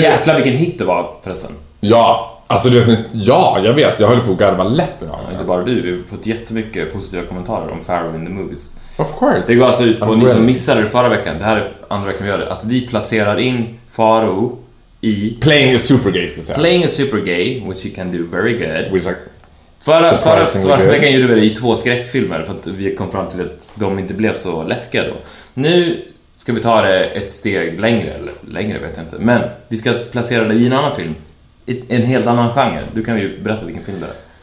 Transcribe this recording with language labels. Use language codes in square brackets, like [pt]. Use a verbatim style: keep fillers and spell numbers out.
[sv] Jäklar vilken hit det var förresten. Ja, alltså du vet, ja, jag vet. Jag höll på att garva läppen av mig. Inte bara du, vi har fått jättemycket positiva kommentarer om Pharaoh in the movies. [en] Of course. [sv] Det går alltså ut på, ni som missade det förra veckan, det här är andra veckan vi gör det, att vi placerar in Pharaoh i... [en] Playing a super gay, [sv] ska jag säga. [en] Playing a super gay, which you can do very good. Which, like, [sv] förra, förra, förra veckan gjorde vi det i två skräckfilmer, för att vi kom fram till att de inte blev så läskiga då. Nu ska vi ta det ett steg längre, eller längre vet jag inte, men vi ska placera det i en annan film, ett, en helt annan genre. Du kan ju berätta vilken film det är.